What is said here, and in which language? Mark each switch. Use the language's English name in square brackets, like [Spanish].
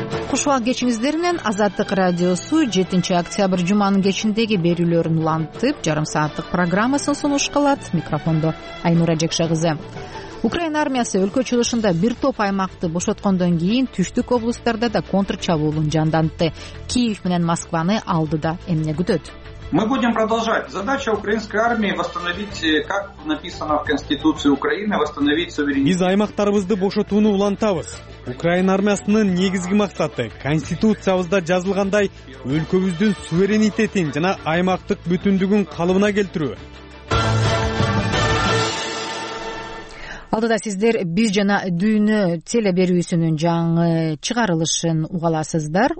[Kyrgyz] Кушубак кечиңиздер менен Азаттык радиосу 7 октябрь жуманын кечиндеги берүүлөрүн улантып, жарым сааттык программасын сунуш кылат. Микрофондо Айнура Жекша кызы. Украина армиясы өлкө чыгышында бир топ аймакты бошоткондон кийин түштүк облустарда да контрчабуулун жанданты. Киев менен Москваны алдыда эмне күтөт? [Russian] Мы будем продолжать. Задача украинской армии восстановить, как написано в Конституции Украины, восстановить суверенитет. [Kyrgyz] Биз аймактарыбызды бошотууну улантабыз. Украина армиясынын негизги максаты конституциябызда жазылгандай өлкөбүздүн суверенитетин жана аймактык бүтүндүгүн калыбына келтирүү. Алдыда сиздер биз жана дүйнө телеберүүсүнүн жаңы чыгарылышын угаласыздар.